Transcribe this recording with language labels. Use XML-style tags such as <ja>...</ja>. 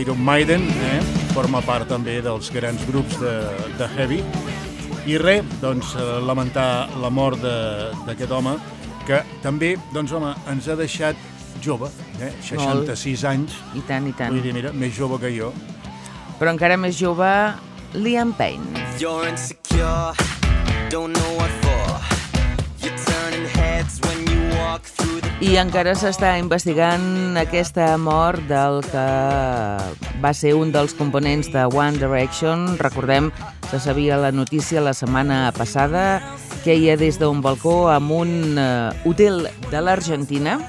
<ca>Iron Maiden, eh?, forma part també dels grans grups de heavy. I res, doncs, lamentar la mort d'aquest home, que també, doncs, home, ens ha deixat jove, eh?, 66 molt. Anys. I tant, i tant. Vull dir, mira, més jove que jo. Però encara més jove, Liam Payne.</ca> <en>You're insecure, don't know what for. You're turning heads when you walk through the...</en> <ca>I encara s'està investigant aquesta mort del que va ser un dels components de One Direction. Recordem, se sabia la notícia la setmana passada, que hi ha des d'un balcó amb un hotel de l'Argentina.</ca>